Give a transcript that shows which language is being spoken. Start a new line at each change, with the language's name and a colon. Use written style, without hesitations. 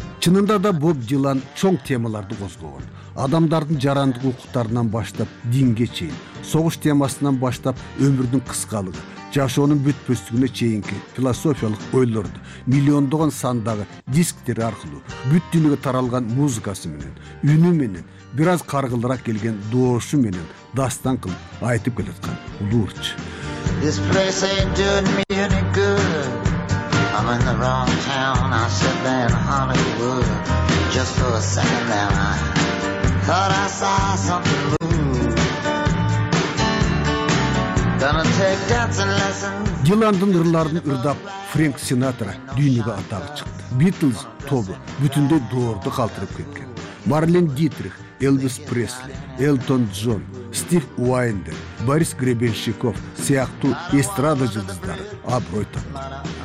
Kyrgyz: Чынында да Боб Дилан чоң темаларды козгогон. Адамдардын жарандык укуктарынан баштап динге чейин, согуш темасынан баштап өмүрдүн кыскалыгы, жашоонун бүтпөстүгүнө чейинки философиялык ойлорду миллиондогон сандагы дисктери аркылуу бүт дүйнөгө таралган музыкасы менен, үнү менен, бир аз каргылыраак келген доошу менен дастан кылып айтып келаткан улуу ырчы.
English: This place ain't doing me any good. I'm in the wrong town. I should be in Hollywood. Just for a second there thought I saw something move. Gonna take dancing lessons.
Kyrgyz: Диландын ырларын ырдап Фрэнк Синатра дүйнөгө атагы чыкты. Битлз тобу бүтүндөй доорду калтырып кеткен. Марлен Дитрих, Элвис Пресли, Элтон Джон, Стив Уайндер, Борис Гребенщиков, сияқты эстрада жылдыздары абырой тапты.